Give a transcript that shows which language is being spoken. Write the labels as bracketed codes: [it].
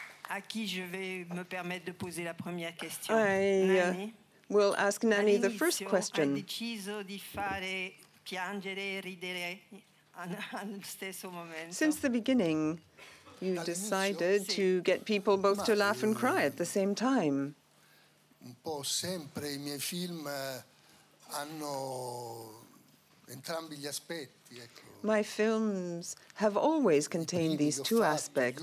[fr] À qui je vais me permettre de poser la première question. [en] I will ask Nanni the first question. [it] Ha deciso di fare piangere e ridere allo stesso momento. [en] Since the beginning, you decided to get people both to laugh and cry at the same time. [it] Un po' sempre i miei film hanno entrambi gli aspetti, ecco. [en] My films have always contained these two aspects.